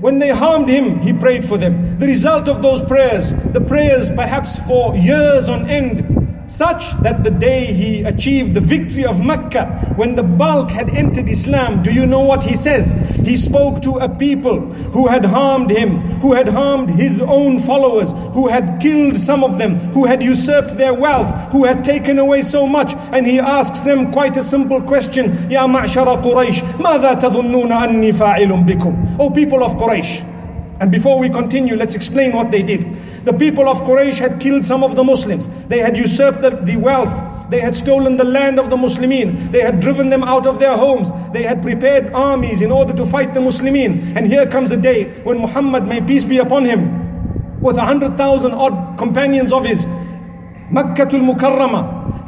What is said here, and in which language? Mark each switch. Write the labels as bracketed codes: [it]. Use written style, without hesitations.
[en] When they harmed him, he prayed for them. The result of those prayers, the prayers perhaps for years on end, such that the day he achieved the victory of Makkah, when the bulk had entered Islam, do you know what he says? He spoke to a people who had harmed him, who had harmed his own followers, who had killed some of them, who had usurped their wealth, who had taken away so much. And he asks them quite a simple question. [ar] Ya ma'shara Quraysh, ماذا تظنون أني فاعل بكم? [en] O people of Quraysh. And before we continue, let's explain what they did. The people of Quraysh had killed some of the Muslims. They had usurped the wealth. They had stolen the land of the Muslimin. They had driven them out of their homes. They had prepared armies in order to fight the Muslimin. And here comes a day when Muhammad, may peace be upon him, with 100,000 odd companions of his, Makkatul Mukarramah.